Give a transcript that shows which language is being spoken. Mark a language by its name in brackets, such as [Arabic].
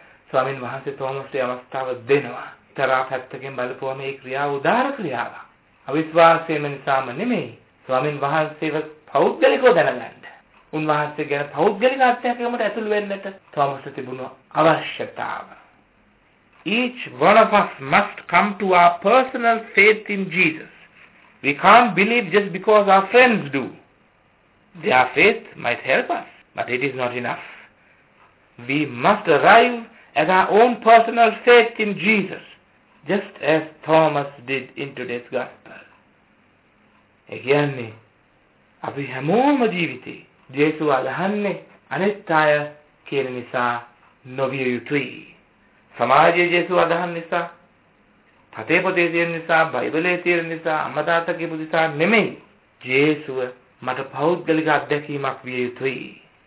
[Sinhala] ස්වාමින් වහන්සේ තෝමස්ට අවස්ථාව දෙනවා. තරහ පැත්තකින් බලපුවම ඒ ක්‍රියාව උදාර ක්‍රියාවක්. අවිශ්වාසයෙන් නිසාම නෙමෙයි ස්වාමින් වහන්සේව පෞද්ගලිකව දැනගන්න, උන්වහන්සේ ගැන පෞද්ගලික අත්දැකීමකට ඇතුළු වෙන්නට තෝමස්ට තිබුණු අවශ්‍යතාව. [English] Each one of us must come to our personal faith in Jesus. We can't believe just because our friends do. Their faith might help us, but it is not enough. We must arrive at our own personal faith in Jesus, just as Thomas did in today's gospel. [Sinhala] Again, අපි හැමෝම ජීවිතේ ජේසු අල්හන්නේ අනිත් අය කියන නිසා නොවිය යුතුයි. සමාජයේ ජේසු අදහන් නිසා, පතේ පොතේ තියෙන නිසා, බයිබලයේ තියෙන නිසා, අමදාතකේ පුදුසා නෙමෙයි, ජේසුව මට පෞද්ගලික අත්දැකීමක් විය යුතුයි.